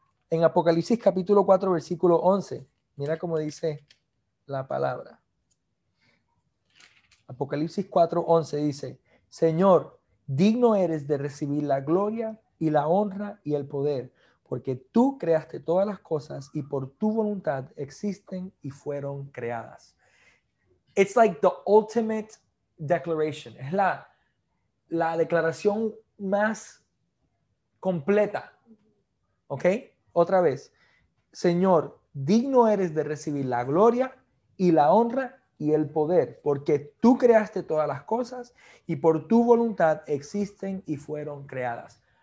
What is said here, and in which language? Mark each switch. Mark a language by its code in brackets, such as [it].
[es] En Apocalipsis capítulo 4, versículo 11. Mira cómo dice la palabra. Apocalipsis 4, 11 dice, Señor, digno eres de recibir la gloria y la honra y el poder. Porque tú creaste todas las cosas y por tu voluntad existen y fueron creadas. [en] It's like the ultimate declaration. [es] Es la declaración más completa. ¿Ok? Otra vez. Señor, digno eres de recibir la gloria y la honra y el poder. Porque tú creaste todas las cosas y por tu voluntad existen y fueron creadas.